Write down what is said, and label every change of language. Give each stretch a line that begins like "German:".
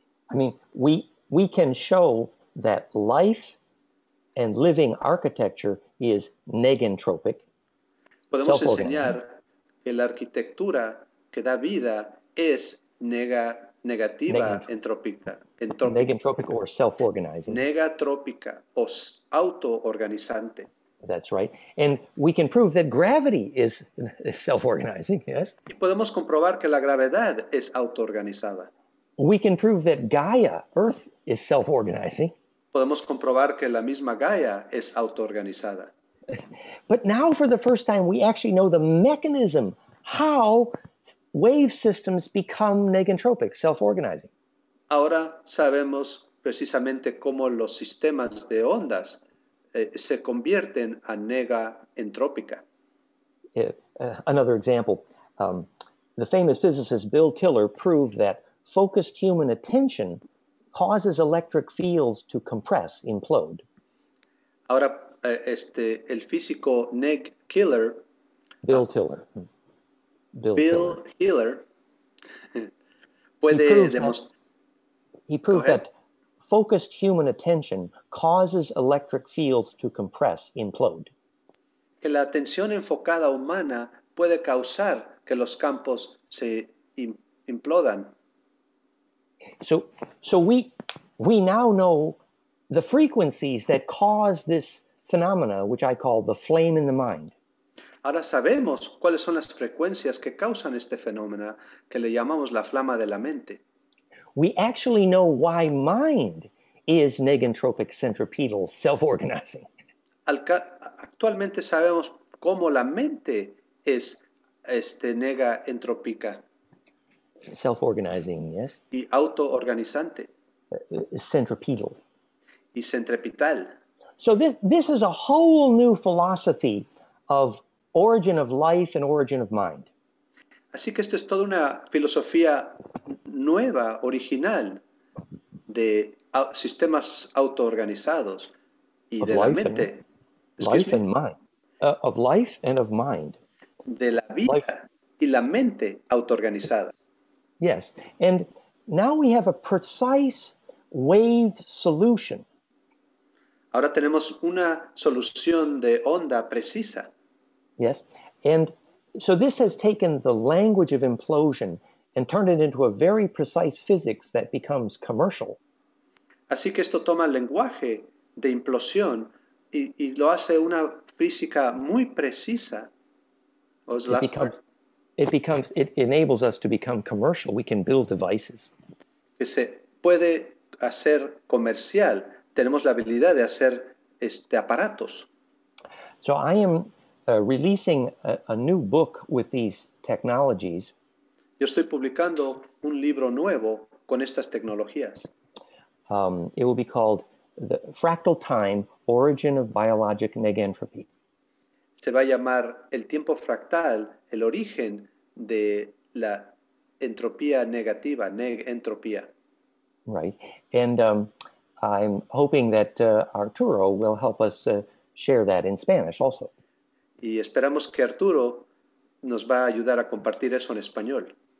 English: I mean, we can show that life and living architecture is negentropic.
Spanish: Podemos enseñar que la arquitectura que da vida es negativa, entrópica.
English: Negentropic or self-organizing.
Spanish: Negatrópica o auto-organizante.
English: That's right. And we can prove that gravity is self-organizing, yes?
Spanish: Y podemos comprobar que la gravedad es auto-organizada.
English: We can prove that Gaia, Earth, is self-organizing.
Spanish: Podemos comprobar que la misma Gaia es auto-organizada.
English: But now, for the first time, we actually know the mechanism, how wave systems become negentropic, self-organizing.
Spanish: Ahora sabemos precisamente cómo los sistemas de ondas se convierten a negaentrópica.
English: Another example. The famous physicist Bill Tiller proved that focused human attention causes electric fields to compress, implode.
Spanish: Ahora, el físico Neg Killer.
English: Bill Tiller.
Spanish: Bill Tiller. Puede
English: he proved that focused human attention causes electric fields to compress, implode.
Spanish: Que la atención enfocada humana puede causar que los campos se implodan.
English: So we now know the frequencies that cause this phenomena, which I call the flame in the mind.
Spanish: Ahora sabemos cuáles son las frecuencias que causan este fenómeno que le llamamos la flama de la mente.
English: We actually know why mind is negentropic, centripetal, self-organizing.
Spanish: Actualmente sabemos cómo la mente es negaentrópica.
English: Self-organizing, yes.
Spanish: Y auto-organizante.
English: Centripetal.
Spanish: Y centripetal.
English: So this is a whole new philosophy of origin of life and origin of mind.
Spanish: Así que esto es toda una filosofía nueva, original, de sistemas auto-organizados y de la mente.
English: Life and mind. Of life and of mind.
Spanish: De la vida y la mente auto-organizada.
English: Yes, and now we have a precise wave solution.
Spanish: Ahora tenemos una solución de onda precisa.
English: Yes, and so this has taken the language of implosion and turned it into a very precise physics that becomes commercial.
Spanish: Así que esto toma el lenguaje de implosión y lo hace una física muy precisa.
English: It enables us to become commercial. We can build devices.
Spanish: Se puede hacer comercial. Tenemos la habilidad de hacer aparatos.
English: So I am releasing a new book with these technologies.
Spanish: Yo estoy publicando un libro nuevo con estas tecnologías.
English: It will be called the fractal time, origin of biologic negentropy.
Spanish: Se va a llamar el tiempo fractal, el origen de la entropía negativa, negentropía.
English: Right. And I'm hoping that Arturo will help us share that in Spanish also.
Spanish: Y esperamos que Arturo nos va a ayudar a compartir eso en español.